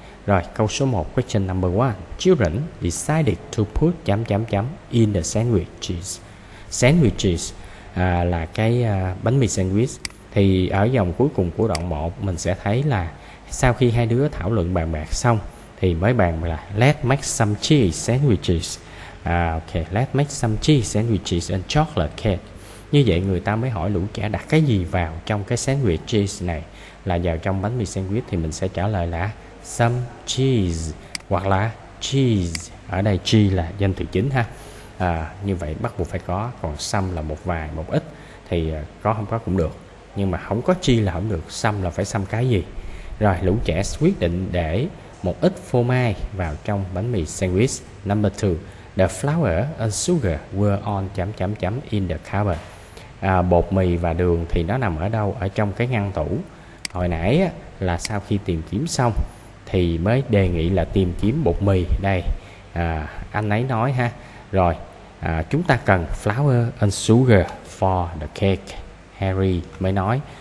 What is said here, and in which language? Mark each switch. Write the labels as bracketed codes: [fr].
[vi] Rồi, câu số 1, [en] question number 1. Children decided to put in the sandwiches. [vi] Sandwiches là cái bánh mì sandwich. Thì ở dòng cuối cùng của đoạn 1, mình sẽ thấy là sau khi hai đứa thảo luận bàn bạc xong, thì mới bàn là [en] let's make some cheese sandwiches. Okay, let's make some cheese sandwiches and chocolate cake. [vi] Như vậy người ta mới hỏi lũ trẻ đặt cái gì vào trong cái sandwich cheese này, là vào trong bánh mì sandwich, thì mình sẽ trả lời là [en] some cheese [vi] hoặc là cheese. Ở đây cheese là danh từ chính ha. Như vậy bắt buộc phải có, còn some là một vài, một ít, thì có không có cũng được, nhưng mà không có cheese là không được, some là phải some cái gì. Rồi, lũ trẻ quyết định để một ít phô mai vào trong bánh mì sandwich. [en] Number 2, the flour and sugar were on in the cupboard. [vi] Bột mì và đường thì nó nằm ở đâu? Ở trong cái ngăn tủ. Hồi nãy là sau khi tìm kiếm xong thì mới đề nghị là tìm kiếm bột mì. Đây, anh ấy nói ha. Rồi, chúng ta cần [en] flour and sugar for the cake, [vi] Harry mới nói.